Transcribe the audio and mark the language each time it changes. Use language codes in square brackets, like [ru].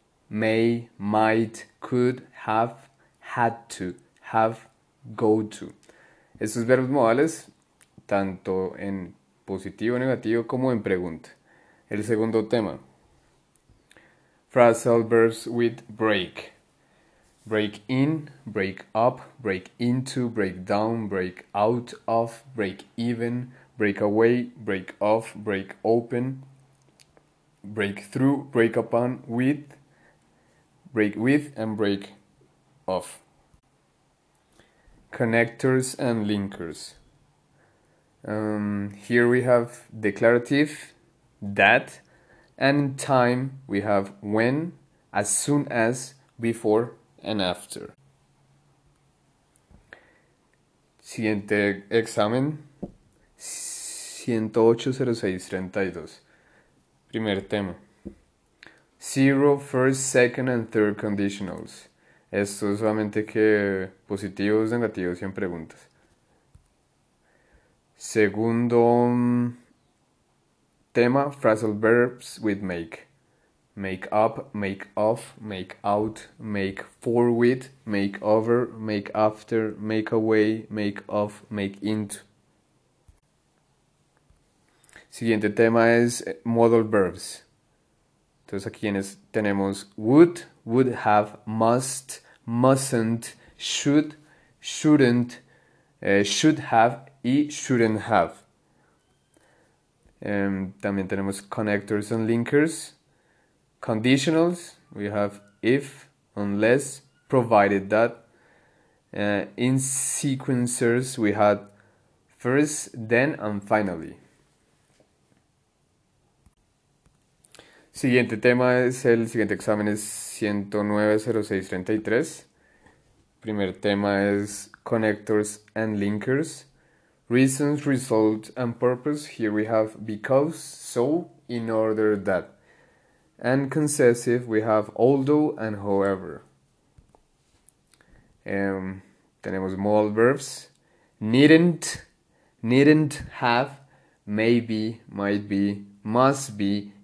[en] May, might, could, have, had to, have, go to. [es] Estos verbos modales, tanto en positivo, negativo, como en pregunta. El segundo tema. [en] Phrasal verbs with break. Break in, break up, break into, break down, break out of, break even, break away, break off, break open, break through, break upon, with. Break with and break off. Connectors and linkers. Here we have declarative, that, and in time we have when, as soon as, before, and after. [es] Siguiente examen. 108-06-32. Primer tema. [en] Zero, first, second, and third conditionals. [es] Esto es solamente que positivos, negativos y en preguntas. Segundo tema, [en] phrasal verbs with make. Make up, make off, make out, make for with, make over, make after, make away, make off, make into. [es] Siguiente tema es [en] modal verbs. [es] Entonces aquí tenemos [en] would, would have, must, mustn't, should, shouldn't, should have [es] y [en] shouldn't have. [es] También tenemos [en] connectors and linkers. Conditionals, we have if, unless, provided that. In sequencers, we had first, then, and finally. [es] Siguiente tema es el siguiente examen es 109-06-33. Primer tema es [en] connectors and linkers. Reasons, result and purpose. Here we have because, so, in order, that. And concessive, we have although and however. [es] Tenemos [en] modal verbs. Needn't, needn't have, maybe, might be, must be.